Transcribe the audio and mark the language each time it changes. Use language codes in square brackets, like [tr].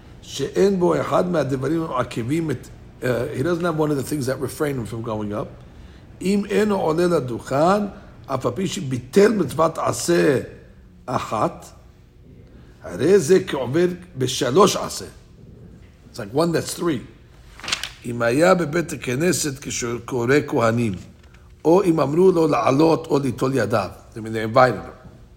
[he] שאין בו אחד מהדברים העקבים את... [en] He doesn't have one of the things that refrain him from going up. [he] אם אינו עולה לדוכן, אף הפי שביטל מצוות עשה אחת, הרי זה כעובר בשלוש עשה. [en] It's like one that's three. [he] אם היה בבית הכנסת כשקורא כהנים, או אם אמרו לו לעלות או ליטול ידיו. [en] I mean, they invited him.